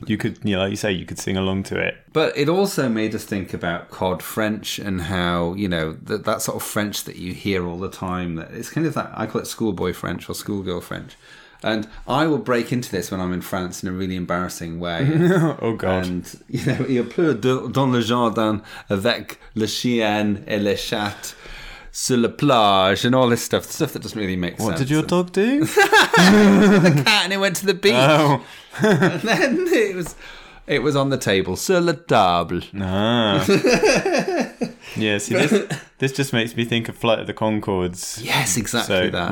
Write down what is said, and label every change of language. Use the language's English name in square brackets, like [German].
[English] You could, you know, like you say, you could sing along to it. But it also made us think about cod French and how, you know, that sort of French that you hear all the time. That it's kind of that, I call it schoolboy French or schoolgirl French. And I will break into this when I'm in France in a really embarrassing way. Oh, God. And, you know, [French] il pleut dans le jardin avec le chien et le chat sur la plage [English] and all this stuff. Stuff that doesn't really make what sense. What did your dog do? The cat, and it went to the beach. Oh. And then it was on the table. [French] Sur la table. Ah. [English] Yeah, see, this just makes me think of Flight of the Conchords. Yes, exactly so, that.